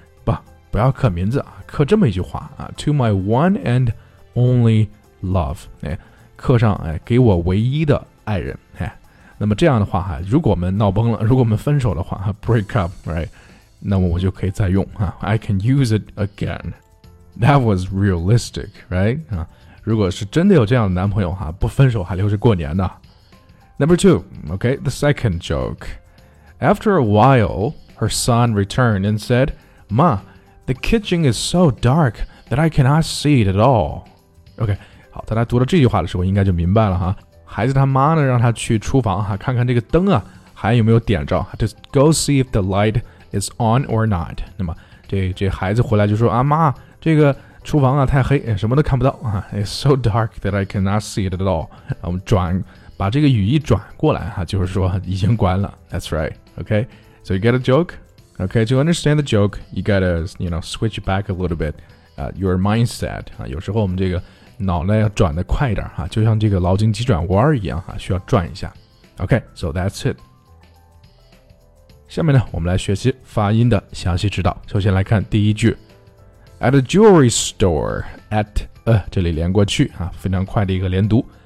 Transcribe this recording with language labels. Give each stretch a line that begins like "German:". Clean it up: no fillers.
Chinese: 不要刻名字啊刻这么一句话啊 ,
English: to my one and only love,
Chinese: 诶刻上、哎、给我唯一的爱人、哎、那么这样的话如果我们闹崩了如果我们分手的话
English: break up、
Chinese: right? 那么我就可以再用、啊、
English: I can use it again That was realistic right?、
Chinese: 啊、如果是真的有这样的男朋友、啊、不分手还留着过年呢
English: Number two okay, The second joke After a while Her son returned and said Ma, the kitchen is so dark That I cannot see it at all
Chinese: Okay好，大家读到这句话的时候，应该就明白了哈。孩子他妈呢，让他去厨房哈，看看这个灯啊，还有没有点着。
English: Just go see if the light is on or not。
Chinese: 那么这孩子回来就说啊，妈，这个厨房啊太黑，什么都看不到啊。
English: It's so dark that I cannot see it at all。
Chinese: 我们把这个语义转过来哈，就是说已经关了。
English: That's right. Okay. So you get a joke? Okay. To understand the joke, you gotta you know switch back a little bit, your mindset.
Chinese: 啊，有时候我们这个。脑袋要转得快一点、啊、就像这个劳筋急转弯一样、啊、需要转一下
English: OK, so that's it
Chinese: 下面呢我们来学习发音的详细指导首先来看第一句
English: At a jewelry store At、
Chinese: 这里连过去、啊、非常快的一个连读